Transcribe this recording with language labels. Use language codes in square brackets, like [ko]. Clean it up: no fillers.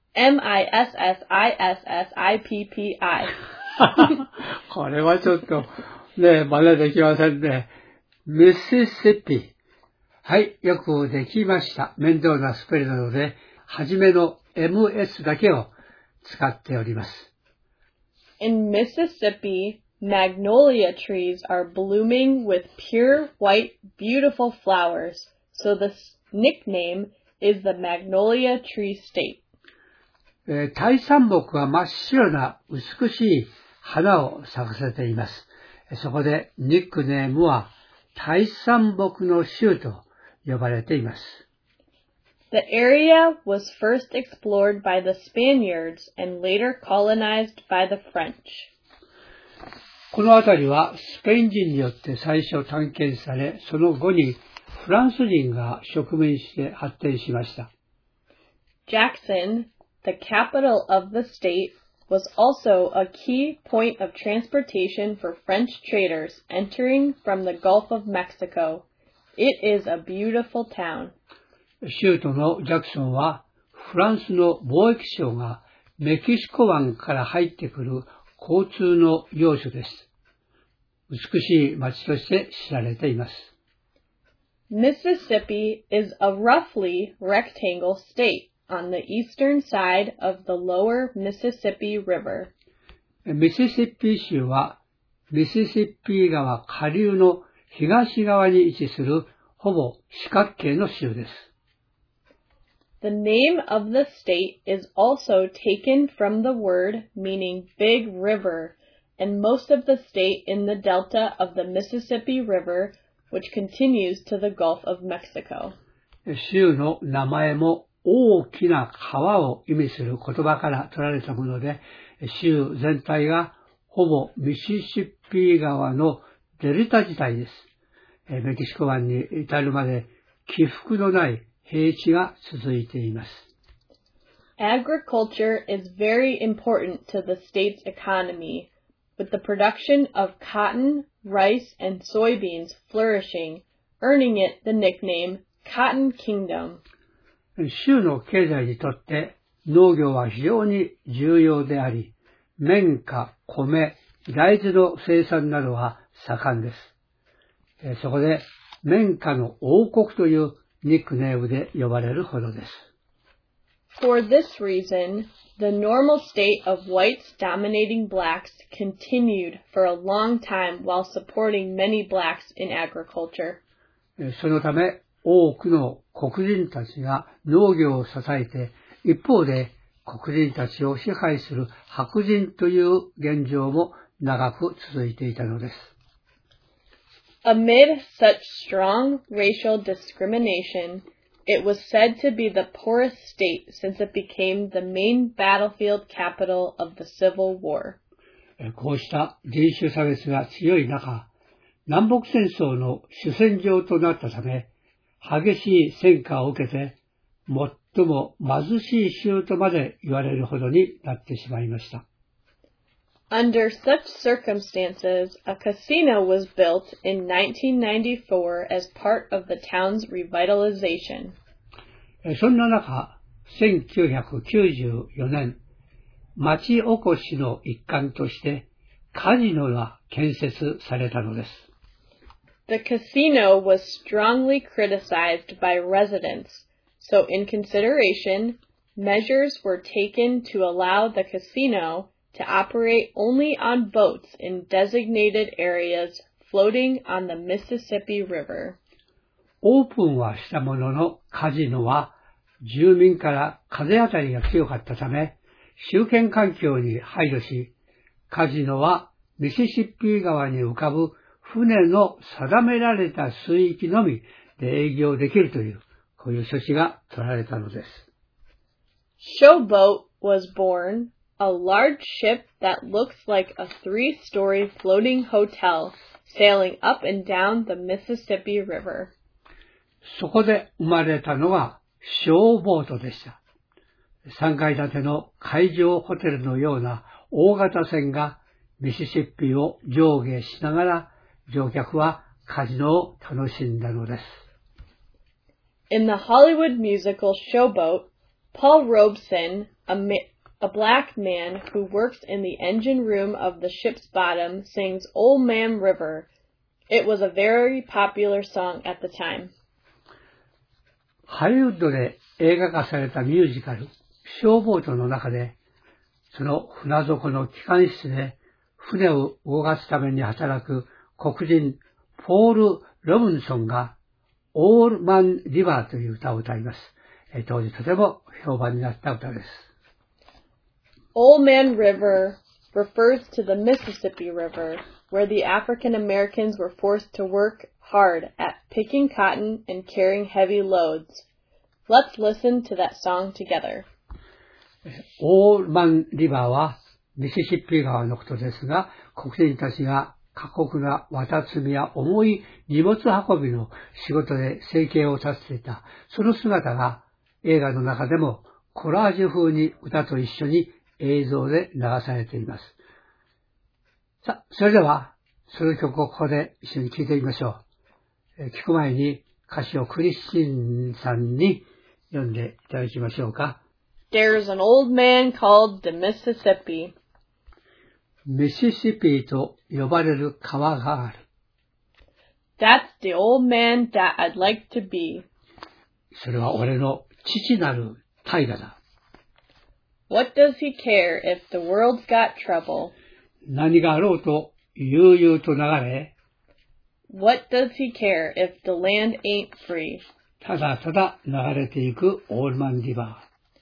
[en] M-I-S-S-I-S-S-I-P-P-I。 [ja] これはちょっとね、真似できませんね。ミシシッピ。はい、よくできました。面倒なスペルなので、はじめの MS だけを使っております。 [en] In Mississippi, magnolia trees are blooming with pure white beautiful flowers, so the nickname is the Magnolia Tree State. [ja] 大山木は真っ白な美しい花を咲かせています。そこでニックネームは大山木の州と呼ばれています。 [en] The area was first explored by the Spaniards and later colonized by the French. [ja] この辺りはスペイン人によって最初探検され、その後にフランス人が植民して発展しました。 [en] Jackson, the capital of the state, was also a key point of transportation for French traders entering from the Gulf of Mexico. It is a beautiful town. [ja] 州都のジャクソンはフランスの貿易商がメキシコ湾から入ってくる交通の要所です。美しい町として知られています。 [en] Mississippi is a roughly rectangle state on the eastern side of the lower Mississippi River. [ja] ミシシッピ州はミシシッピ川下流の東側に位置するほぼ四角形の州です。 [en] The name of the state is also taken from the word meaning big river, and most of the state in the delta of the Mississippi River, which continues to the Gulf of Mexico. [ja] 州の名前も大きな川を意味する言葉から取られたもので、州全体がほぼミシシッピ川のデルタ地帯です。メキシコ湾に至るまで起伏のない平地が続いています。 [en] Agriculture is very important to the state's economy, with the production of cotton, rice, and soybeans flourishing, earning it the nickname Cotton Kingdom. [ja] 州の経済にとって農業は非常に重要であり、綿花、米、大豆の生産などは盛んです。そこで、綿花の王国というニックネームで呼ばれるほどです。 [en] For this reason, the normal state of whites dominating blacks continued for a long time while supporting many blacks in agriculture. [ja] そのため、多くの黒人たちが農業を支えて、一方で黒人たちを支配する白人という現状も長く続いていたのです。 [en] Amid such strong racial discrimination, it was said to be the poorest state since it became the main battlefield capital of the Civil War. [ja] こうした人種差別が強い中、南北戦争の主戦場となったため、激しい戦火を受けて、最も貧しい州とまで言われるほどになってしまいました。 [en] Under such circumstances, a casino was built in 1994 as part of the town's revitalization. [ja] そんな中、1994年、町おこしの一環としてカジノが建設されたのです。 [en] The casino was strongly criticized by residents, so in consideration, measures were taken to allow the casino to operate only on boats in designated areas floating on the Mississippi River. [ja] オープンはしたもののカジノは住民から風当たりが強かったため、周辺環境に配慮し、カジノはミシシッピ川に浮かぶ船の定められた水域のみで営業できるという、こういう措置が取られたのです。 [en] Showboat was born, a large ship that looks like a three-story floating hotel sailing up and down the Mississippi River. [ja] そこで生まれたのがショーボートでした。 3階建ての海上ホテルのような大型船がミシシッピを上下しながら乗客はカジノを楽しんだのです。 [en] In the Hollywood musical Showboat, Paul Robeson, a black man who works in the engine room of the ship's bottom, sings Old Man River. It was a very popular song at the time. [ja] ハリウッドで映画化されたミュージカル、ショーボートの中で、その船底の機関室で船を動かすために働く黒人ポール・ロブンソンがオールマン・リバーという歌を歌います。当時とても評判になった歌です。 [en] Old Man River refers to the Mississippi River, where the African Americans were forced to work hard at picking cotton and carrying heavy loads. Let's listen to that song together. [ja] Old Man River はミシシッピ川のことですが、黒人たちが過酷な綿積みや重い荷物運びの仕事で生計を立てていた。その姿が映画の中でもコラージュ風に歌と一緒に映像で流されています。さあ、それではその曲をここで一緒に聴いてみましょう。聞く前に歌詞をクリスティンさんに読んでいただきましょうか。 [en] There's an old man called the Mississippi. [ja] ミシシッピと呼ばれる川がある。 [en] That's the old man that I'd like to be. [ja] それは俺の父なる大河だ。 [en] What does he care if the world's got trouble? [ja] 何があろうと悠々と流れ。 [en] What does he care if the land ain't free? [ja] ただただ流れていくオールマンリバー。